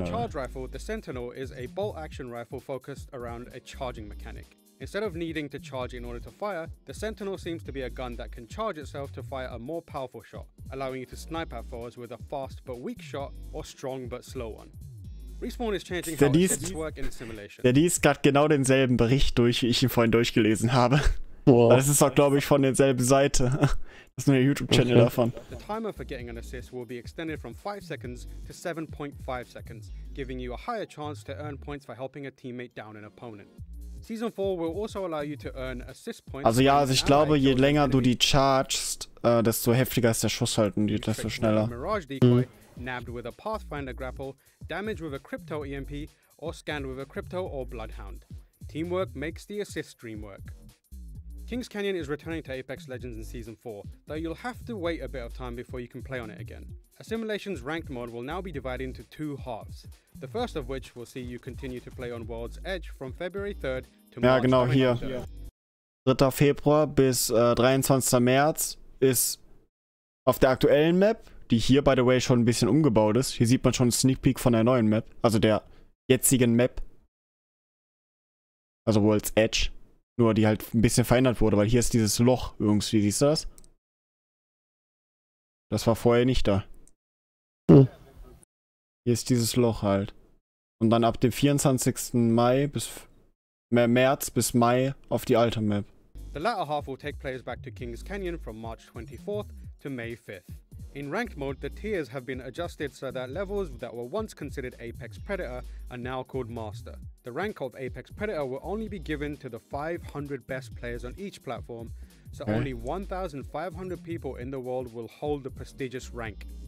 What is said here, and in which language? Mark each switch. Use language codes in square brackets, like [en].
[en] To the charge rifle, the Sentinel is a bolt-action rifle focused around a charging mechanic. Instead of needing to charge in order to fire, the Sentinel seems to be a gun that can charge itself to fire a more powerful shot, allowing you to snipe at foes with a fast but weak shot or strong but slow one. Respawn is changing how it's work in Assimilation. [de] Der liest gerade genau denselben Bericht durch, wie ich ihn vorhin durchgelesen habe. Wow. Das ist doch, glaube ich, von derselben Seite. Das ist nur der YouTube-Channel davon. [en] The timer for getting an assist will be extended from 5 seconds to 7.5 seconds, giving you a higher chance to earn points by helping a teammate down an opponent. Season 4 will also allow you to earn assist points. [de] Also ja, also ich glaube, je länger du die chargest, desto heftiger ist der Schuss halt und desto schneller. [en] Mirage Decoy, nabbed with a Pathfinder Grapple, damage with a Crypto EMP or scanned with a Crypto or Bloodhound. Teamwork makes the assist dream work. Kings Canyon is returning to Apex Legends in Season 4, though you'll have to wait a bit of time before you can play on it again. Assimilation's ranked mod will now be divided into two halves, the first of which will see you continue to play on World's Edge from February 3rd to [de] March. Ja, genau hier. 3. Februar bis 23. März ist auf der aktuellen Map, die hier, [en] by the way, [de] schon ein bisschen umgebaut ist. Hier sieht man schon einen Sneak Peek von der neuen Map, also der jetzigen Map. Also World's Edge. Nur die halt ein bisschen verändert wurde, weil hier ist dieses Loch irgendwie, siehst du das? Das war vorher nicht da. Hier ist dieses Loch halt. Und dann ab dem 24. Mai bis März bis Mai auf die alte Map. [en] The latter half will take players back to King's Canyon from March 24th to May 5th. In Ranked Mode, the tiers have been adjusted so that levels that were once considered Apex Predator are now called Master. The rank of Apex Predator will only be given to the 500 best players on each platform, so only 1,500 people in the world will hold the prestigious rank.